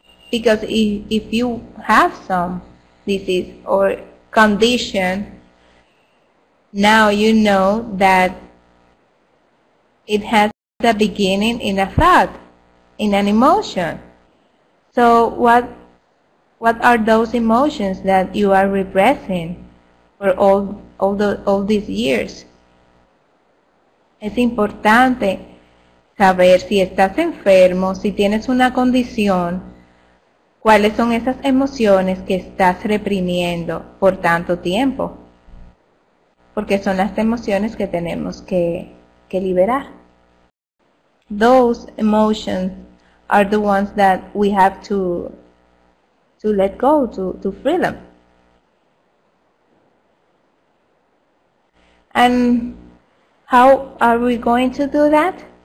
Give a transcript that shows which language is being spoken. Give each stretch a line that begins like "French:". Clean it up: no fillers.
English: Because if you have some disease or condition, now you know that it has a beginning in a thought, in an emotion. So what are those emotions that you are repressing for all these years?
Spanish: Es importante saber si estás enfermo, si tienes una condición, cuáles son esas emociones que estás reprimiendo por tanto tiempo, porque son las emociones que tenemos que liberar.
English: Those emotions are the ones that we have to let go, to free them. And how are we going to do that?